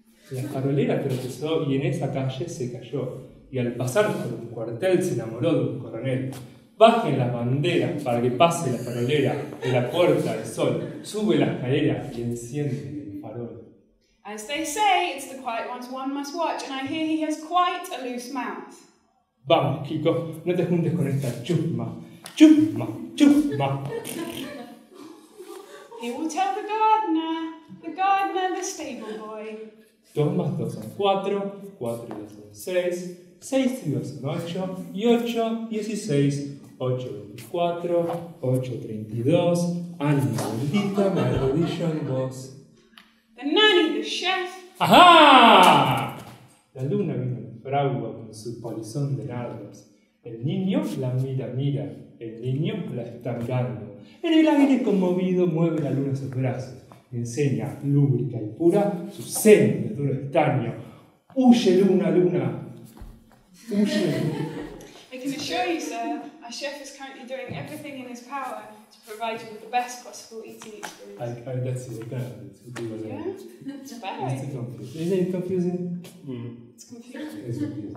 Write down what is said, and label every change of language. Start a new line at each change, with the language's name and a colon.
Spanish: La farolera tropezó y en esa calle se cayó. Y al pasar por un cuartel se enamoró de un coronel. Bajen las banderas para que pase la farolera de la puerta del sol. Sube la escalera y enciende el farol.
English: As they say, it's the quiet ones one must watch, and I hear he has quite a loose mouth.
Spanish: Vamos, Kiko, no te juntes con esta chusma. Chusma, chusma.
English: He will tell the gardener, the stable boy.
Spanish: 2 + 2 = 4, 4 + 2 = 6, 6 + 2 = 8, y 8 = 16, 8 + 4, 8 = 32, Ana, maldita, me arrodillo en vos.
English: The nanny, the chef. ¡Ajá!
Spanish: La luna vino en fragua con su polizón de nardos. El niño la mira, mira. El niño la está mirando. En el aire conmovido mueve la luna sus brazos. Enseña, lúbrica y pura, su seno de duro estaño. ¡Huye, luna, luna! ¡Huye!
English: I can assure you, sir, our chef is currently doing everything in his power to provide you with the best possible eating experience. I that's it, that's it. Yeah? That's better. Isn't it confusing? Mm. It's confusing. It's confusing.